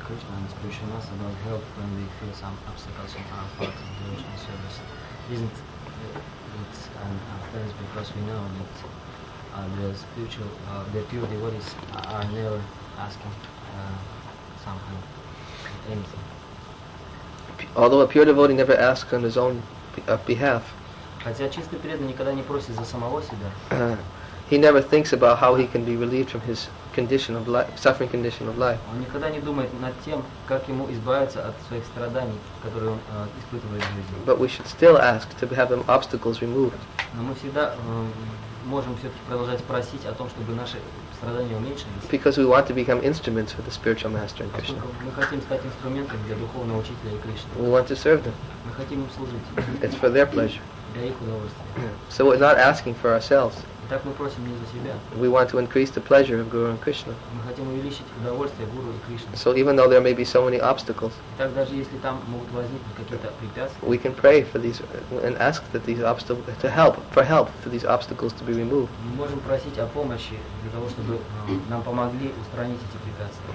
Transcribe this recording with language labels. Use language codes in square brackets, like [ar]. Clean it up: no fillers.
[en] Krishna and spiritual master don't help when we feel some obstacles on our part in devotional service. Isn't it an offense because we know that the pure devotees are never asking some help, anything. Although a pure devotee never asks on his own behalf, [ru] хотя чистый преданный никогда не просит за самого себя, [en] he never thinks about how he can be relieved from his condition of life, suffering condition of life. [ru] Он никогда не думает над тем, как ему избавиться от своих страданий, которые он испытывает в жизни. [en] But we should still ask to have the obstacles removed. [ru] Но мы всегда можем все-таки продолжать спросить о том, чтобы наши страдания уменьшились. [en] Because we want to become instruments for the spiritual master in Krishna. [ru] Мы хотим стать инструментом для духовного учителя и Кришны. [en] We want to serve them. [ru] Мы хотим им служить. [en] It's for their pleasure. [ru] Для их удовольствия. [en] So we're not asking for ourselves. [ru] Так мы просим не за себя. [en] We want to increase the pleasure of Guru and Krishna. [ru] Мы хотим увеличить удовольствие Гуру и Кришны. [en] So even though there may be so many obstacles, [ru] так даже если там могут возникнуть какие-то препятствия, [en] we can pray for these and ask that these obstacles to help for help for these obstacles to be removed. [ru] Мы можем просить о помощи для того, чтобы нам помогли устранить эти препятствия.